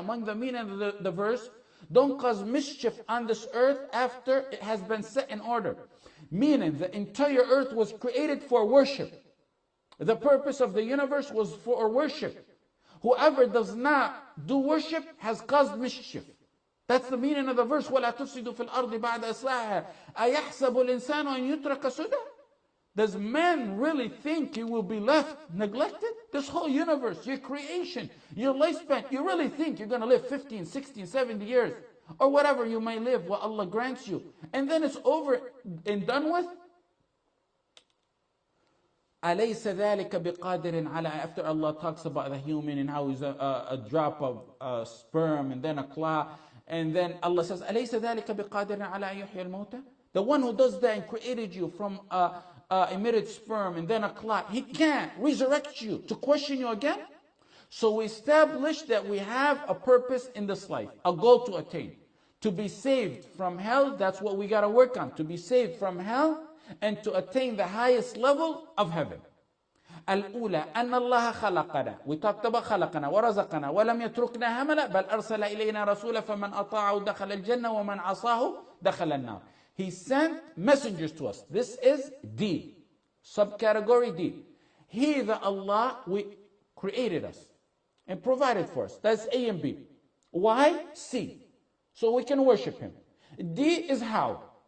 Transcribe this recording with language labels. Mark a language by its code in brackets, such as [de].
[en] Among the meaning of the verse, don't cause mischief on this earth after it has been set in order. Meaning the entire earth was created for worship. The purpose of the universe was for worship. Whoever does not do worship has caused mischief. That's the meaning of the verse. [ar] وَلَا تُفْسِدُوا فِي الْأَرْضِ بَعْدَ إِصْلَاحِهَا. أَيَحْسَبُ الْإِنسَانُ أَنْ يُتْرَكَ سُدًى. [en] Does man really think he will be left neglected? This whole universe, your creation, your lifespan, you really think you're going to live 15, 16, 70 years, or whatever you may live, what Allah grants you, and then it's over and done with? [ar] أَلَيْسَ ذَلِكَ بِقَادِرٍ عَلَىٰ. [en] After Allah talks about the human and how he's a drop of sperm and then a claw, and then Allah says, [ar] أَلَيْسَ ذَلِكَ بِقَادِرٍ عَلَىٰ يُحْيَ الْمَوْتَ. [en] The one who does that and created you from emitted sperm and then a clot, he can't resurrect you to question you again. So we establish that we have a purpose in this life, a goal to attain, to be saved from hell. That's what we got to work on, to be saved from hell and to attain the highest level of heaven. [ar] الأولى أن الله خلقنا. [en] We talked about [ar] خلقنا ورزقنا ولم يتركنا هملا بل أرسل إلينا رسولا فمن أطاعه دخل الجنة ومن عصاه دخل النار. [en] He sent messengers to us. This is D, subcategory D. He, the Allah, we created us and provided for us. That's A and B. Why? C, so we can worship him. D is how.